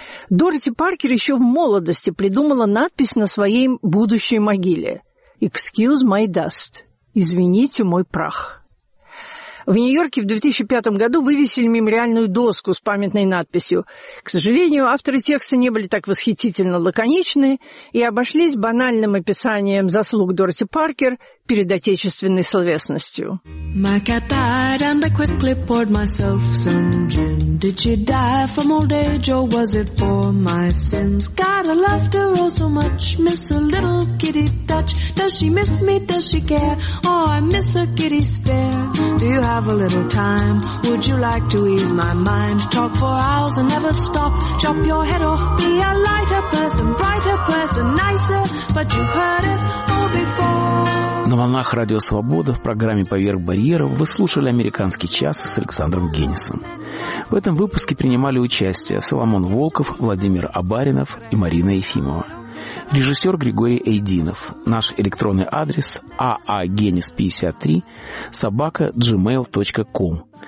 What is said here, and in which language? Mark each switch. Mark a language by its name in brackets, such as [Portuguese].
[Russian] Дороти Паркер еще в молодости придумала надпись на своей будущей могиле [English] «Excuse my dust» [Russian] «Извините мой прах». В Нью-Йорке в 2005 году вывесили мемориальную доску с памятной надписью. К сожалению, авторы текста не были так восхитительно лаконичны и обошлись банальным описанием заслуг Дороти Паркер перед отечественной словесностью. [English] My cat died and I quickly poured myself some gin. Did she die from old age or was it for my sins? God, I loved her all so much, miss her little kitty touch. Does she miss me, does she care? Oh, I miss her kitty stare. Do you have a little time? Would you like to ease my mind? Talk for hours and never stop. Chop your head off. Be a lighter person, brighter person, nicer. But you've heard it all before. [Russian] На волнах Радио Свобода в программе «Поверх барьеров» вы слушали «Американский час» с Александром Геннисом. В этом выпуске принимали участие Соломон Волков, Владимир Абаринов и Марина Ефимова. Режиссер Григорий Эйдинов. Наш электронный адрес aagenis53@gmail.com.